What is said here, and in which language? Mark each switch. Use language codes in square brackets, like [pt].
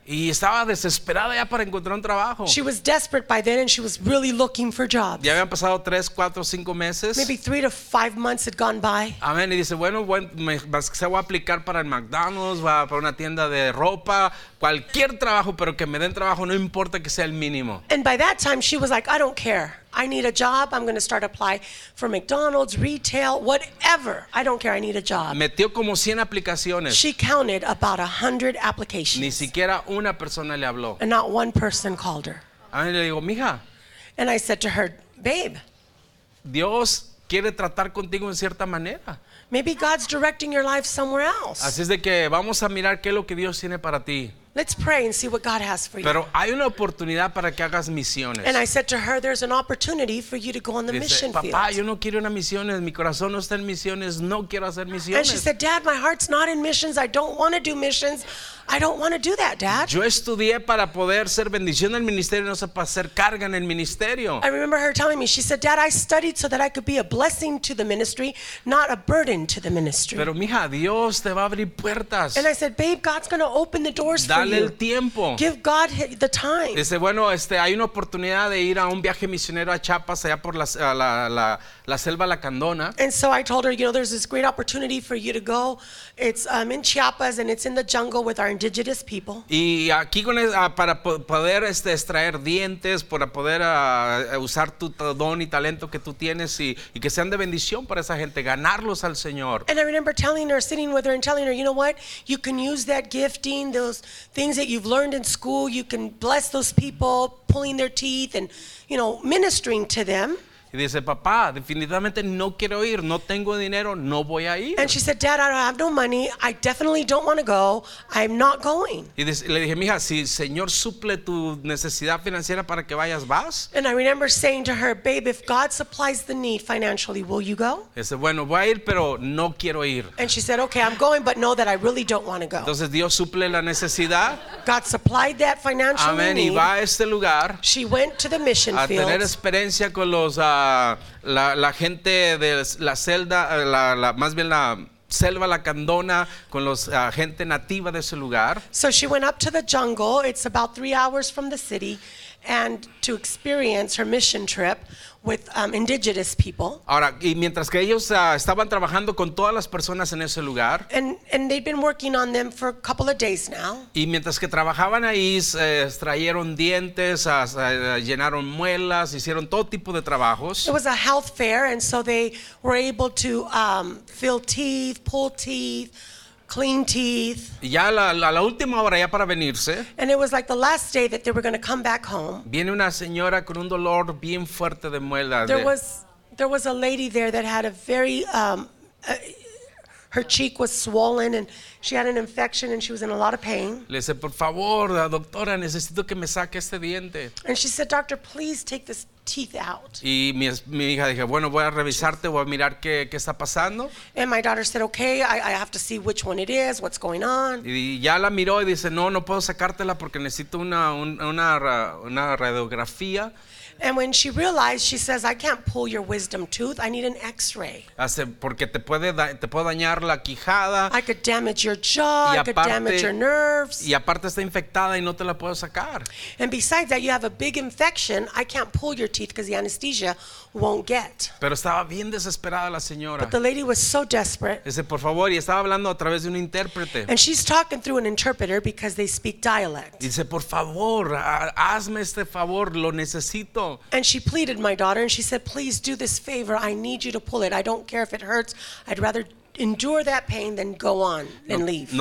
[es] Y estaba desesperada ya para encontrar un trabajo. [en] She was desperate by then and she was really looking for jobs. [es] Ya habían pasado 3, 4, 5 meses. [en] Maybe 3 to 5 months had gone by. [es] Amén. Y dice, bueno, se va a aplicar para el McDonald's, va para una tienda de ropa, cualquier trabajo, pero que me den trabajo, no importa que sea el mínimo. [en] And by that time she was like, I don't care. I need a job. I'm going to start apply for McDonald's, retail, whatever. I don't care. I need a job. [es] Metió como 100 aplicaciones. [en] She counted about 100 applications. [es] Ni siquiera una persona le habló. [en] And not one person called her. [es] A mí le digo, mija. [en] And I said to her, babe. [es] Dios quiere tratar contigo en cierta manera. [en] Maybe God's directing your life somewhere else. [es] Así es de que vamos a mirar qué es lo que Dios tiene para ti. [en] Let's pray and see what God has for you. [es] Pero hay una oportunidad para que hagas misiones. [en] And I said to her, there's an opportunity for you to go on the mission field. [es] Papá, yo no quiero una misión. Mi corazón no está en misiones. No quiero hacer misiones. [en] And she said, Dad, my heart's not in missions. I don't want to do missions. I don't want to do that, Dad. [es] Yo estudié para poder ser bendición en el ministerio, no sé, para ser carga en el ministerio. [en] I remember her telling me, she said, Dad, I studied so that I could be a blessing to the ministry, not a burden to the ministry. [es] Pero mija, Dios te va a abrir puertas. [en] And I said, babe, God's going to open the doors [es] Dale [en] for you. [es] Dale el tiempo. [en] Give God the time. [es] Dice, bueno, hay una oportunidad de ir a un viaje misionero a Chiapas, allá por la selva Lacandona. [en] And so I told her, you know, there's this great opportunity for you to go. It's in Chiapas and it's in the jungle with our indigenous people. [es] Y aquí con para poder extraer dientes, para poder usar tu don y talento que tú tienes y que sean de bendición para esa gente, ganarlos al Señor. [en] And I remember telling her, sitting with her and telling her, you know what? You can use that gifting, those things that you've learned in school, you can bless those people, pulling their teeth and, you know, ministering to them. [es] Y dice, papá, definitivamente no quiero ir, no tengo dinero, no voy a ir. [en] And she said, Dad, I don't have no money, I definitely don't want to go, I'm not going. [es] Y le dije, mija, si el Señor suple tu necesidad financiera para que vayas, ¿vas? [en] And I remember saying to her, babe, if God supplies the need financially, will you go? [es] Y dice, bueno, voy a ir, pero no quiero ir. [en] And she said, okay, I'm going, but know that I really don't want to go. [es] Entonces Dios suple la necesidad. [en] God supplied that financial [es] Amén. [en] Need. [es] Amén, y va a este lugar. [en] She went to the mission [es] a [en] field. [es] A tener experiencia con los... La gente de la celda, más bien la selva Lacandona, con los gente nativa de ese lugar. [en] So she went up to the jungle, it's about 3 hours from the city, and to experience her mission trip with indigenous people. [es] Ahora, y mientras que ellos estaban trabajando con todas las personas en ese lugar. [en] And they'd been working on them for a couple of days now. [es] Y mientras que trabajaban ahí, extrayeron dientes, llenaron muelas, hicieron todo tipo de trabajos. [en] It was a health fair, and so they were able to fill teeth, pull teeth, clean teeth. [es] Ya la última hora ya para venirse. [en] And it was like the last day that they were going to come back home. [es] Viene una señora con un dolor bien fuerte de muela. [en] There was a lady there that had a very her cheek was swollen and she had an infection and she was in a lot of pain. [es] Le dice, por favor, la doctora, necesito que me saque este diente. [en] And she said, doctor, please take this teeth out. [es] Y mi hija dije, bueno, voy a revisarte, voy a mirar qué está pasando. [en] And my daughter said, okay, I have to see which one it is, what's going on. [es] Y ya la miró y dice, no puedo sacártela porque necesito una radiografía. [en] And when she realized, she says, I can't pull your wisdom tooth. I need an x-ray. [es] Porque te puede dañar la quijada. [en] I could damage your jaw. [es] Aparte, [en] I could damage your nerves. [es] Y aparte está infectada y no te la puedo sacar. [en] And besides that, you have a big infection. I can't pull your teeth because the anesthesia won't get. [es] Pero estaba bien desesperada la señora. [en] But the lady was so desperate. [es] Dice, por favor, y estaba hablando a través de un intérprete. [en] And she's talking through an interpreter because they speak dialect. [es] Dice, por favor, hazme este favor, lo necesito. [en] And she pleaded my daughter and she said, please do this favor, I need you to pull it, I don't care if it hurts, I'd rather endure that pain than go on and leave.